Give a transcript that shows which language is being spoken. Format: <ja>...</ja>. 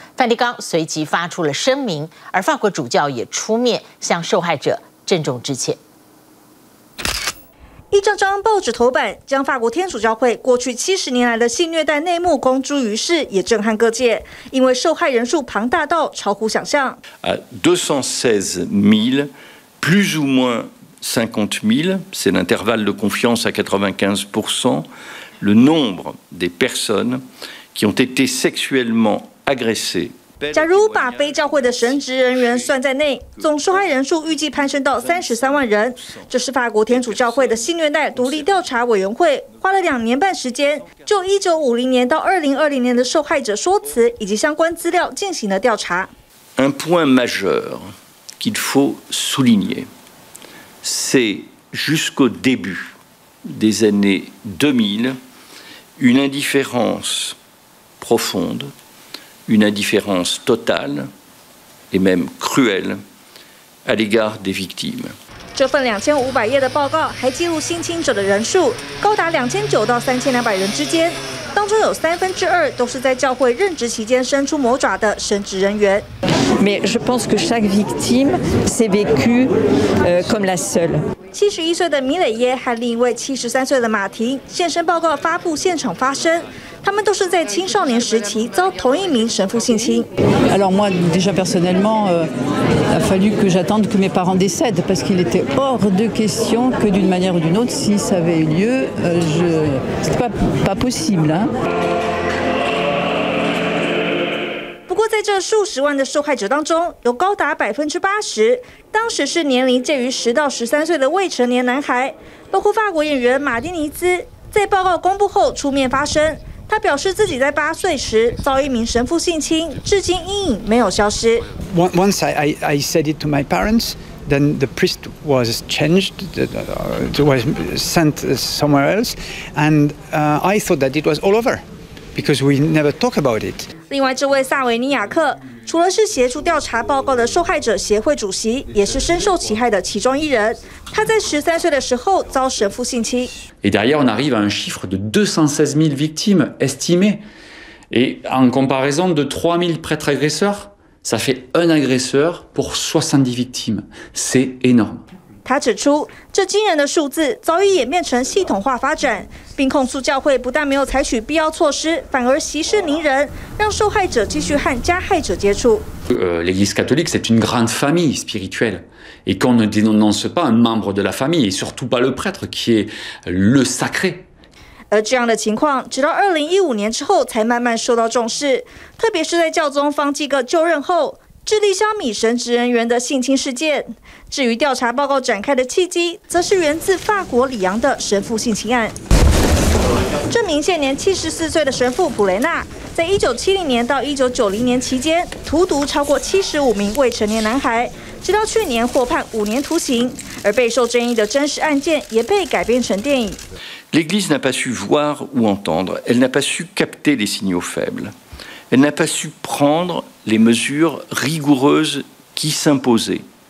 <zh>梵蒂冈随即发出了声明，而法国主教也出面向受害者郑重致歉。一张张报纸头版将法国天主教会过去70年来的性虐待内幕公诸于世，也震撼各界，因为受害人数庞大到超乎想象。</zh> <fr>216 000 plus ou moins 50 000, c'est l'intervalle de confiance à 95%, le nombre des personnes qui ont été sexuellement agressées.</fr> <zh>假如把非教会的神职人员算在内，总受害人数预计攀升到33万人。这是法国天主教会的性虐待独立调查委员会花了两年半时间，就1950年到2020年的受害者说辞以及相关资料进行了调查。</zh> <fr>Un point majeur qu'il faut souligner, c'est jusqu'au début des années 2000, une indifférence profonde. Une indifférence totale et même cruelle à l'égard des victimes.</fr> <zh>这份2500页的报告还记录性侵者的人数高达2900到3200人之间，当中有2/3都是在教会任职期间伸出魔爪的神职人员。</zh> <fr>Mais je pense que chaque victime s'est vécu comme la seule.</fr> <zh>71岁的米蕾耶和另一位73岁的马婷现身报告，发布现场发生。他们都是在青少年时期遭同一名神父性侵。</zh> <fr>Alors moi déjà personnellement, il a fallu que j'attende que mes parents décèdent parce qu'il était hors de question que d'une manière ou d'une autre, si ça avait eu lieu, c'était pas possible.</fr> <zh>不过在这数十万的受害者当中，有高达80%，当时是年龄介于10到13岁的未成年男孩，包括法国演员马丁尼兹，在报告公布后出面发声。他表示自己在8岁时遭一名神父性侵，至今阴影没有消失。</zh> <en>Once I said it to my parents, then the priest was changed, was sent somewhere else, and I thought that it was all over, because we never talk about it.</en> <zh>另外，这位萨维尼亚克除了是协助调查报告的受害者协会主席，也是深受其害的其中一人。他在13岁的时候遭神父性侵。</zh> <fr>Et derrière, on arrive à un chiffre de 216 000 victimes estimées. Et en comparaison de 3 000 prêtres agresseurs, ça fait un agresseur pour 70 victimes. C'est énorme.</fr> <zh>他指出，这惊人的数字早已演变成系统化发展，并控诉教会不但没有采取必要措施，反而息事宁人，让受害者继续和加害者接触。</zh> <fr>L'Église catholique, c'est une grande famille spirituelle. Et qu'on ne dénonce pas un membre de la famille, et surtout pas le prêtre, qui est le sacré.</fr> <zh>而这样的情况，直到2015年之后才慢慢受到重视，特别是在教宗方济各就任后，致力消弭神职人员的性侵事件。至于调查报告展开的契机，则是源自法国里昂的神父性侵案。这名现年74岁的神父普雷纳，在1970年到1990年期间，荼毒超过75名未成年男孩。直到去年获判5年徒刑，而备受争议的真实案件也被改编成电影。</zh> <fr>L'Église n'a pas su voir ou entendre, elle n'a pas su capter les signaux faibles, elle n'a pas su prendre les mesures rigoureuses qui s'imposaient.</fr>